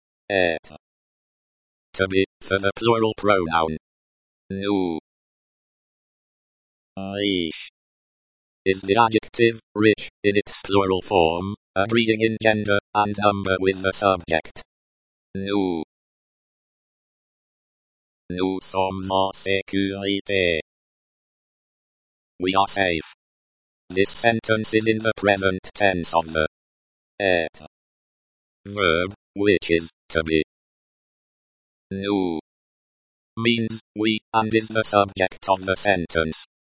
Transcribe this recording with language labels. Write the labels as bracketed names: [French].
[French] être [English] to be, for the plural pronoun [French] nous. Riche [English] is the adjective, rich, in its plural form, agreeing in gender and number with the subject. [French] Nous sommes en sécurité. [English] We are safe. This sentence is in the present tense of the [French] être [English] verb, which is to be. [French] Nous [English] means we and is the subject of the sentence.